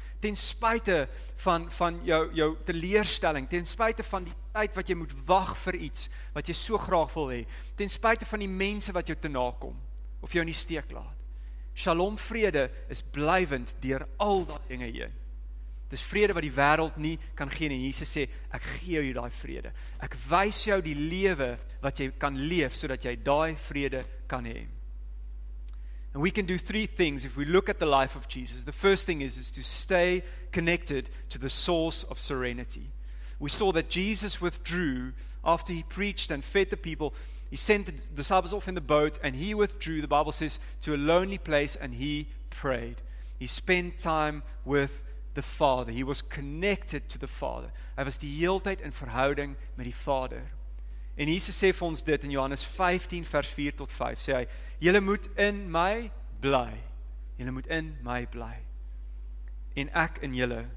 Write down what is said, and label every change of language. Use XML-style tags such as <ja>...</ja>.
<af>Ten spyte van jou teleurstelling, ten spyte van die tyd wat jy moet wag vir iets wat jy so graag wil hê, ten spyte van die mense wat jou te na kom of jou in die steek laat. Shalom vrede is blywend deur al daai dinge heen. Dis vrede wat die wêreld nie kan gee nie. Jesus sê, ek gee jou daai vrede. Ek wys jou die lewe wat jy kan leef, sodat jy daai vrede kan hê.</af> <en>And we can do three things if we look at the life of Jesus. The first thing is to stay connected to the source of serenity. We saw that Jesus withdrew after he preached and fed the people. He sent the disciples off in the boat and he withdrew, the Bible says, to a lonely place and he prayed. He spent time with the Father. He was connected to the Father.</en> <af>Hy was die heeltyd in verhouding met die Vader. En Jesus sê vir ons dit in Johannes 15 vers 4 tot 5. Sê hy, julle moet in my bly. Julle moet in my bly. En ek in julle.</af>